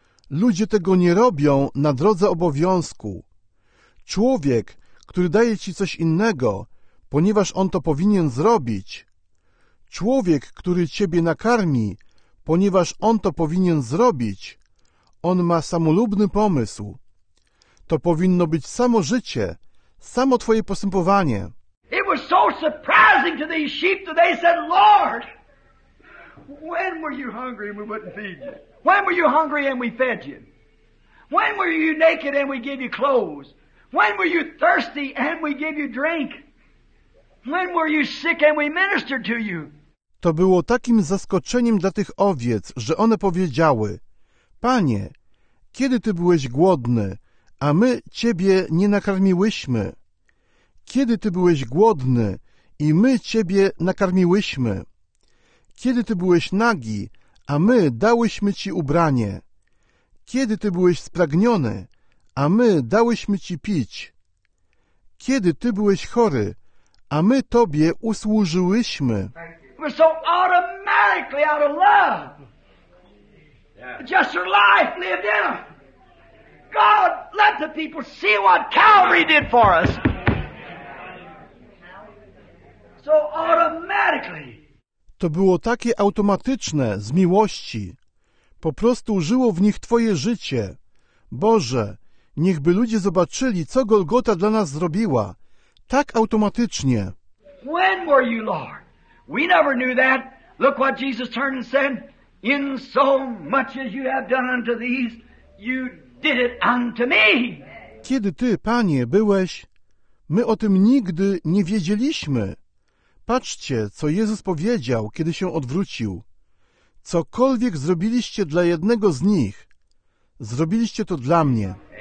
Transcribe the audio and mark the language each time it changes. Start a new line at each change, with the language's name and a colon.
Polish: Ludzie tego nie robią na drodze obowiązku. Człowiek, który daje ci coś innego, ponieważ on to powinien zrobić. Człowiek, który ciebie nakarmi, ponieważ on to powinien zrobić. On ma samolubny pomysł. To powinno być samo życie, samo twoje postępowanie.
English: It was so surprising to these sheep that they said, Lord, When were you hungry and we wouldn't feed you? When were you hungry and we fed you? When were you naked and we gave you clothes? When were you thirsty and we gave you drink? When were you sick and we ministered to you?
Polish: To było takim zaskoczeniem dla tych owiec, że one powiedziały: Panie, kiedy Ty byłeś głodny, a my Ciebie nie nakarmiłyśmy? Kiedy Ty byłeś głodny i my Ciebie nakarmiłyśmy? Kiedy Ty byłeś nagi, a my dałyśmy Ci ubranie? Kiedy Ty byłeś spragniony, a my dałyśmy Ci pić? Kiedy Ty byłeś chory, a my Tobie usłużyłyśmy?
English: We're so automatically out of love. Yeah. Just her life lived in her. God, let the people see what Calvary did for us. So automatically.
Polish: To było takie automatyczne z miłości. Po prostu żyło w nich Twoje życie. Boże, niechby ludzie zobaczyli, co Golgota dla nas zrobiła. Tak automatycznie.
English: When were you, Lord? We never knew that. Look what Jesus turned and said. In so much as you have done unto these, you did it unto me.
Polish: Kiedy Ty, Panie, byłeś, my o tym nigdy nie wiedzieliśmy. Patrzcie, co Jezus powiedział, kiedy się odwrócił. Cokolwiek zrobiliście dla jednego z nich, zrobiliście to dla mnie.